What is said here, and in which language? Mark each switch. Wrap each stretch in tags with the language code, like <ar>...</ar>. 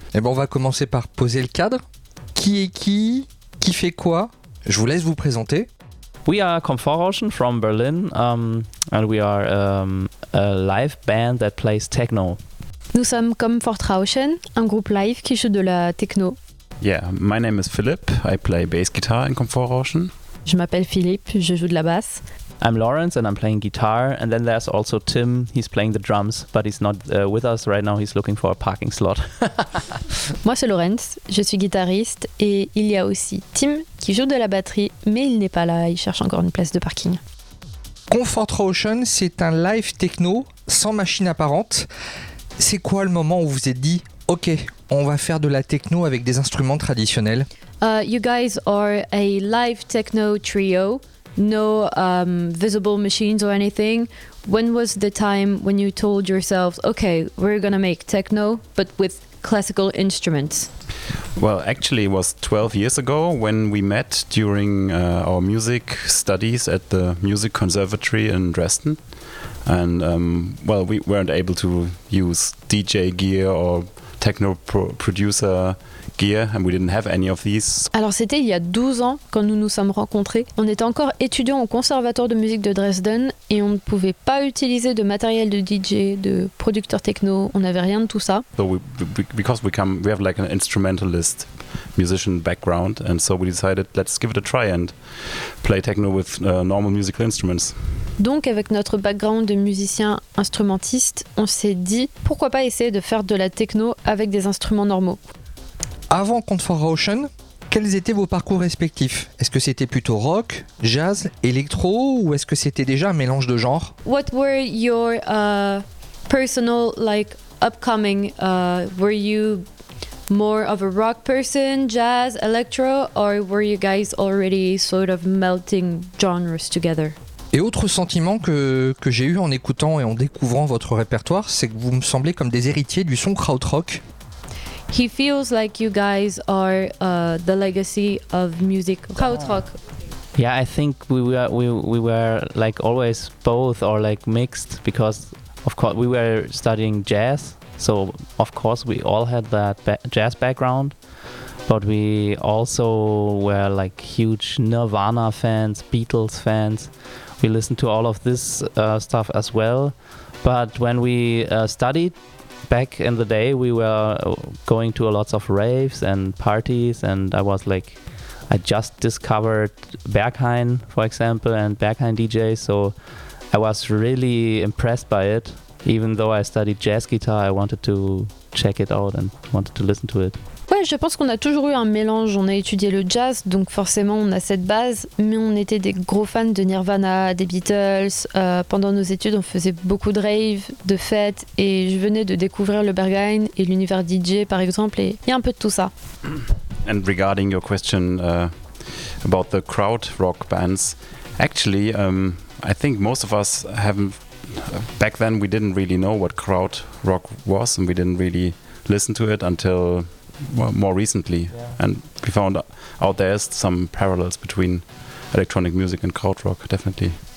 <fr>Et bon, on va commencer par poser le cadre. Qui est qui? Qui fait quoi? Je vous laisse vous présenter.</fr> <en>We are Komforoschen from Berlin and we are a live band that plays techno.</en> <fr>Nous sommes Komforoschen, un groupe live qui joue de la techno.</fr> <en>Yeah, my name is Philip. I play bass guitar in Komforoschen.</en> <fr>Je m'appelle Philippe, je joue de la basse.</fr> <en>I'm Lawrence and I'm playing guitar. And then there's also Tim, he's playing the drums, but he's not with us right now, he's looking for a parking slot.</en> <fr>Moi c'est Lawrence, je suis guitariste et il y a aussi Tim qui joue de la batterie, mais il n'est pas là, il cherche encore une place de parking. Komforoschen, c'est un live techno sans machine apparente. C'est quoi le moment où vous vous êtes dit, ok, on va faire de la techno avec des instruments traditionnels?</fr> <en>You guys are a live techno trio, no visible machines or anything. When was the time when you told yourselves, okay, we're gonna make techno, but with classical instruments? Well, actually it was 12 years ago when we met during our music studies at the Music Conservatory in Dresden. And well, we weren't able to use DJ gear or techno producer gear, and we didn't have any of these.</en> <fr>Alors c'était il y a 12 ans quand nous nous sommes rencontrés. On était encore étudiants au conservatoire de musique de Dresden et on ne pouvait pas utiliser de matériel de DJ, de producteur techno, on n'avait rien de tout ça.</fr> <en>So we have like an instrumentalist musician background, and so we decided let's give it a try and play techno with normal musical instruments.</en> <fr>Donc avec notre background de musicien instrumentiste, on s'est dit pourquoi pas essayer de faire de la techno avec des instruments normaux. Avant Komforoschen, quels étaient vos parcours respectifs? Est-ce que c'était plutôt rock, jazz, électro, ou est-ce que c'était déjà un mélange de genres?</fr> <en>What were your personal, like, upcoming? Were you more of a rock person, jazz, electro, or were you guys already sort of melting genres together?</en> <fr>Et autre sentiment que j'ai eu en écoutant et en découvrant votre répertoire, c'est que vous me semblez comme des héritiers du son krautrock.</fr> <en>He feels like you guys are the legacy of music krautrock. Yeah, I think we were like always both or like mixed, because of course we were studying jazz, so of course we all had that jazz background, but we also were like huge Nirvana fans, Beatles fans. We listened to all of this stuff as well, but when we studied back in the day, we were going to a lots of raves and parties, and I was like, I just discovered Berghain, for example, and Berghain DJ, so I was really impressed by it. Even though I studied jazz guitar, I wanted to check it out and wanted to listen to it.</en> <fr>Ouais, je pense qu'on a toujours eu un mélange. On a étudié le jazz, donc forcément on a cette base, mais on était des gros fans de Nirvana, des Beatles. Pendant nos études, on faisait beaucoup de raves, de fêtes, et je venais de découvrir le Berghain et l'univers DJ par exemple, et il y a un peu de tout ça.</fr> <en>And regarding your question about the crowd rock bands, actually, I think most of us haven't. Back then, we didn't really know what crowd rock was, and we didn't really listen to it until. Well, more recently, yeah. And we found out there's some parallels between electronic music and krautrock, definitely.</en>